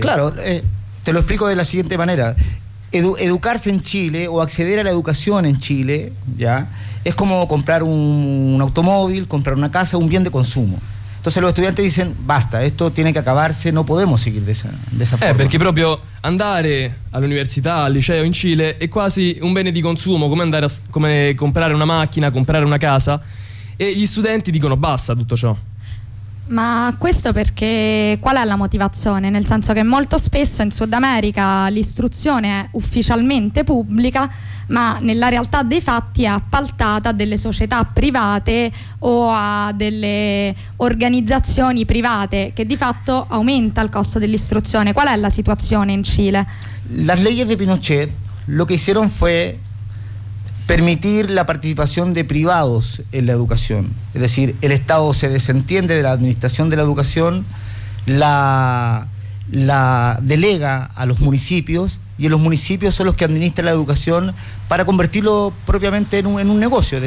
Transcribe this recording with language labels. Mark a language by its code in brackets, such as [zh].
[es] Claro, te lo explico de la siguiente manera. Educarse en Chile o acceder a la educación en Chile, ¿ya? Es como comprar un automóvil, comprar una casa, un bien de consumo. Entonces los estudiantes dicen, basta, esto tiene que acabarse, no podemos seguir de esa forma. [it] Porque proprio andare all'università, al liceo in Cile è quasi un bene di consumo, come comprare una macchina, comprare una casa, e gli studenti dicono basta tutto ciò. Ma questo perché, qual è la motivazione? Nel senso che molto spesso in Sud America l'istruzione è ufficialmente pubblica, ma nella realtà dei fatti è appaltata a delle società private o a delle organizzazioni private, che di fatto aumenta il costo dell'istruzione. Qual è la situazione in Cile? [es] Las leyes de Pinochet lo que hicieron fue permitir la participación de privados en la educación. Es decir, el Estado se desentiende de la administración de la educación, la delega a los municipios, y los municipios son los que administran la educación para convertirlo propiamente en un negocio.